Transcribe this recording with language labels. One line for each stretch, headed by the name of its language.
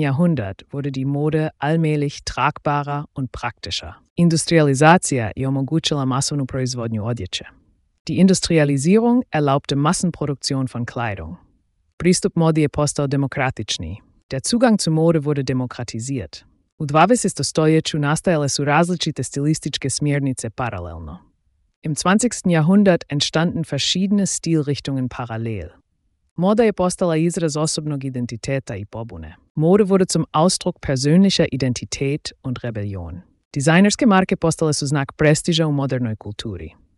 German: Jahrhundert wurde die Mode allmählich tragbarer und praktischer.
Croatian: Industrialisacija je omogućila masovnu proizvodnju odjeće.
German: Die Industrialisierung erlaubte Massenproduktion von Kleidung.
Croatian: Pristup modi je postao demokratični.
German: Der Zugang zu Mode wurde demokratisiert.
Croatian: U 20. stoljeću nastajale su različite stilističke smjernice paralelno.
German: Im 20. Jahrhundert entstanden verschiedene Stilrichtungen parallel.
Croatian: Moda je postala izraz osobnog identiteta i pobune.
German: Mode wurde zum Ausdruck persönlicher Identität und Rebellion.
Croatian: Designerske marke postale su znak prestiža u modernoj kulturi.